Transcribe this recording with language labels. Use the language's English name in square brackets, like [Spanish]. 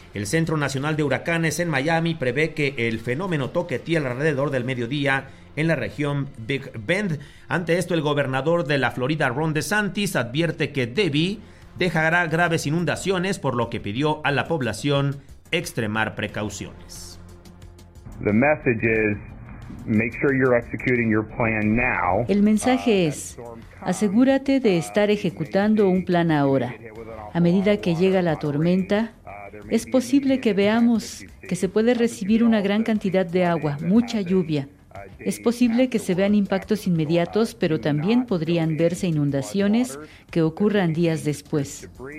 [Spanish] El Centro Nacional de Huracanes en Miami prevé que el fenómeno toque tierra alrededor del mediodía en la región Big Bend. Ante esto, el gobernador de la Florida, Ron DeSantis, advierte que Debbie dejará graves inundaciones, por lo que pidió a la población extremar precauciones. [English] The message is, make sure you're executing your plan now. [Spanish] El mensaje es, asegúrate de estar ejecutando un plan ahora. A medida que llega la tormenta, es posible que veamos que se puede recibir una gran cantidad de agua, mucha lluvia. Es posible que se vean impactos inmediatos, pero también podrían verse inundaciones que ocurran días después.